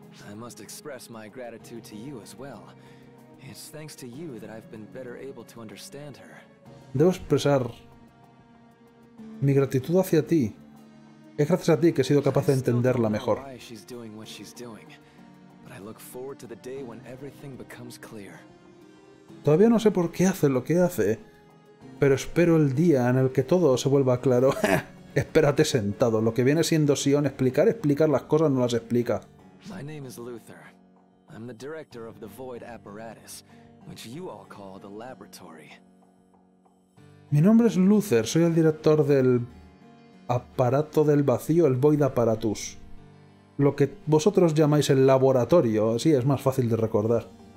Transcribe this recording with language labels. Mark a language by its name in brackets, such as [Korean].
[English] I must express my gratitude to you as well. It's thanks to you that I've been better able to understand her. [Spanish] Debo expresar mi gratitud hacia ti. Es gracias a ti que he sido capaz de entenderla mejor. [English] Why she's doing what she's doing, but I look forward to the day when everything becomes clear. [Spanish] Todavía no sé por qué hace lo que hace, pero espero el día en el que todo se vuelva claro. Espérate sentado. Lo que viene siendo Xion explicar las cosas no las explica. [English] My name is Luther. I'm the director of the Void Apparatus, which you all call the laboratory. [Spanish] Mi nombre es Luther. Soy el director del aparato del vacío, el Void Apparatus. Lo que vosotros llamáis el laboratorio, sí, es más fácil de recordar.